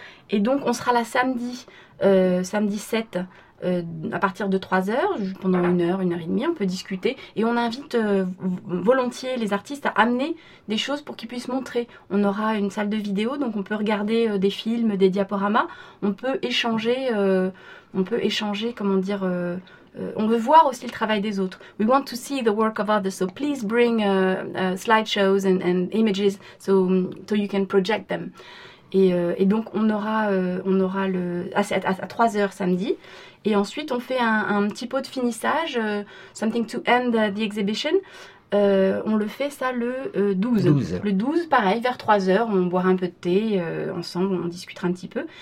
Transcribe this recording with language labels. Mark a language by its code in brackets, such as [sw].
[fr] Et donc, on sera là samedi 7... à partir de 3 heures, pendant une heure et demie, on peut discuter. Et on invite volontiers les artistes à amener des choses pour qu'ils puissent montrer. On aura une salle de vidéo, donc on peut regarder des films, des diaporamas. On peut échanger, on veut voir aussi le travail des autres. [en] We want to see the work of others, so please bring slideshows and images so you can project them. [fr] Et donc, on aura le, à 3 heures samedi. Et ensuite, on fait un petit pot de finissage, [en] something to end the exhibition. [fr] On le fait ça le 12. 12. Le 12, pareil, vers 3 heures, on boira un peu de thé ensemble, on discutera un petit peu.